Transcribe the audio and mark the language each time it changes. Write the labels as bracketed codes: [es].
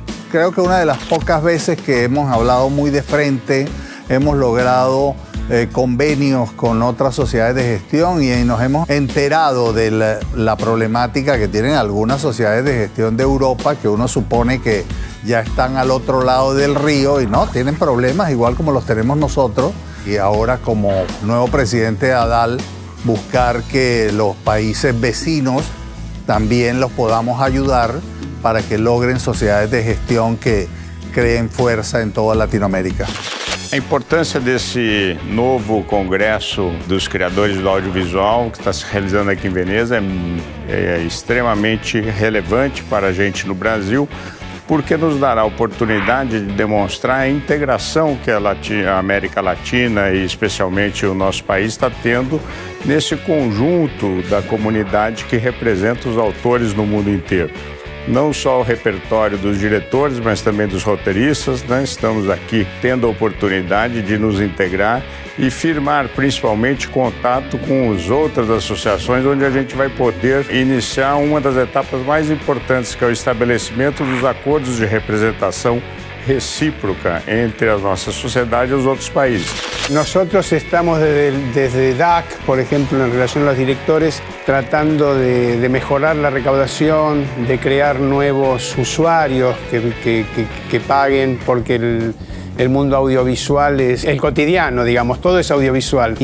[es] Creo que una de las pocas veces que hemos hablado muy de frente, hemos logrado convenios con otras sociedades de gestión y nos hemos enterado de la problemática que tienen algunas sociedades de gestión de Europa, que uno supone que ya están al otro lado del río y no, tienen problemas igual como los tenemos nosotros. Y ahora, como nuevo presidente de ADAL, buscar que los países vecinos también los podamos ayudar para que logren sociedades de gestión que creen fuerza en toda Latinoamérica. [pt] A importância desse novo congresso dos criadores do audiovisual que está se realizando aqui em Veneza é extremamente relevante para a gente no Brasil, porque nos dará a oportunidade de demonstrar a integração que a América Latina e especialmente o nosso país está tendo nesse conjunto da comunidade que representa os autores no mundo inteiro. Não só o repertório dos diretores, mas também dos roteiristas, né? Estamos aqui tendo a oportunidade de nos integrar e firmar principalmente contato com as outras associações, onde a gente vai poder iniciar uma das etapas mais importantes, que é o estabelecimento dos acordos de representação recíproca entre a nossa sociedade e os outros países. [es] Nosotros estamos desde DAC, por ejemplo, en relación a los directores, tratando de mejorar la recaudación, de crear nuevos usuarios que paguen, porque el mundo audiovisual es el cotidiano, digamos, todo es audiovisual.